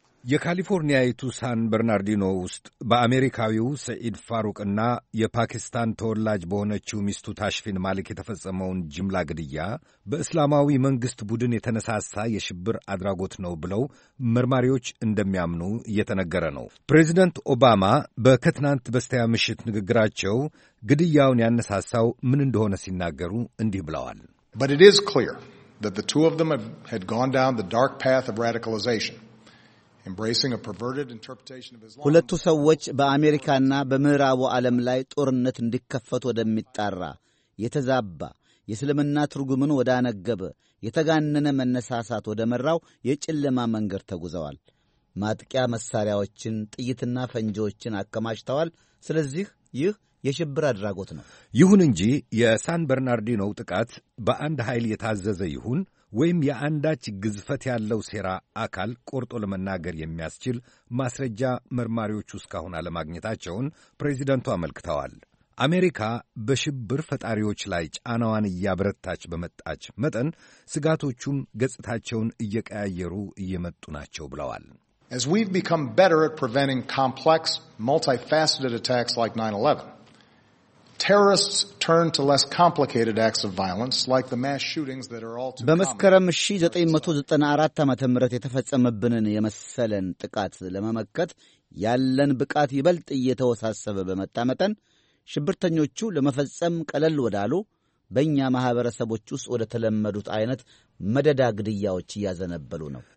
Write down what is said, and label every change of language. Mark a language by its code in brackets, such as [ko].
[am] የካሊፎርኒያዊቱ ሳን በርናርዲኖ ውስጥ በአሜሪካዊው ሰኢድ ፋሩቅና የፓኪስታን ተወላጅ በሆነችው ሚስቱ ታሽፊን ማሊክ የተፈጸመውን ጅምላ ግድያ በእስላማዊ መንግሥት ቡድን የተነሳሳ የሽብር አድራጎት ነው ብለው መርማሪዎች እንደሚያምኑ እየተነገረ ነው። ፕሬዚደንት ኦባማ በከትናንት በስቲያ ምሽት ንግግራቸው ግድያውን ያነሳሳው ምን እንደሆነ ሲናገሩ እንዲህ ብለዋል። [en] But it is clear that the two of them had gone down the dark path of radicalization. Embracing a perverted interpretation of Islam. [am] ሁለቱ ሰዎች በአሜሪካና በምዕራቡ ዓለም ላይ ጦርነት እንዲከፈት ወደሚጣራ የተዛባ የእስልምና ትርጉምን ወዳነገበ የተጋነነ መነሳሳት ወደመራው የጨለማ መንገድ ተጉዘዋል። ማጥቂያ መሳሪያዎችን፣ ጥይትና ፈንጂዎችን አከማችተዋል። ስለዚህ ይህ የሽብር አድራጎት ነው። ይሁን እንጂ የሳን በርናርዲኖው ጥቃት በአንድ ኃይል የታዘዘ ይሁን ወይም የአንዳች ግዝፈት ያለው ሴራ አካል ቆርጦ ለመናገር የሚያስችል ማስረጃ መርማሪዎቹ እስካሁን አለማግኘታቸውን ፕሬዚደንቱ አመልክተዋል። አሜሪካ በሽብር ፈጣሪዎች ላይ ጫናዋን እያበረታች በመጣች መጠን ስጋቶቹም ገጽታቸውን እየቀያየሩ እየመጡ ናቸው ብለዋል። [en] As we've become better at preventing complex, multifaceted attacks like 9/11, terrorists turn to less complicated acts of violence like the mass shootings that are all too common. [am] በመስከረም 1994 ዓመተ ምህረት የተፈጸመብንን የመሰለን ጥቃት ለመመከት ያለን ብቃት ይበልጥ እየተወሳሰበ በመጣ መጠን ሽብርተኞቹ ለመፈጸም ቀለል ወዳሉ በእኛ ማህበረሰቦች ውስጥ ወደ ተለመዱት አይነት መደዳ ግድያዎች እያዘነበሉ ነው።